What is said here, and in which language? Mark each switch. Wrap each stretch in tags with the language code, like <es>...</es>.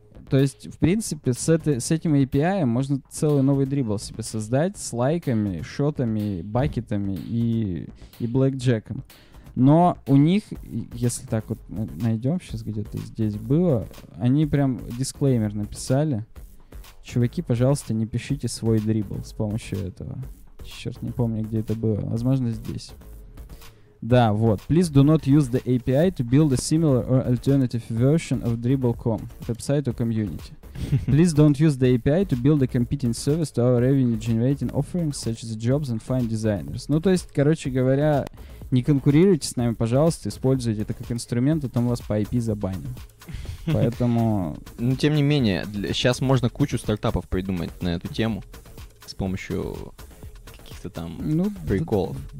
<ru>То есть, в принципе, с этим API можно целый новый дрибл себе создать с лайками, шотами, байкетами и блэкджеком. Но у них, если так вот найдем, сейчас где-то здесь было, они прям дисклеймер написали. Чуваки, пожалуйста, не пишите свой дрибл с помощью этого. Черт, не помню, где это было. Возможно, здесь. Да, вот.</ru> <en>Please do not use the API to build a similar or alternative version of dribble.com. Website or community. Please don't use the API to build a competing service to our revenue-generating offerings, such as jobs and fine designers.</en> <ru>Ну, то есть, короче говоря, не конкурируйте с нами, пожалуйста, используйте это как инструмент, а там вас по IP забанят. Поэтому... Ну, тем не менее, сейчас можно кучу стартапов придумать на эту тему с помощью каких-то там, ну, приколов.</ru>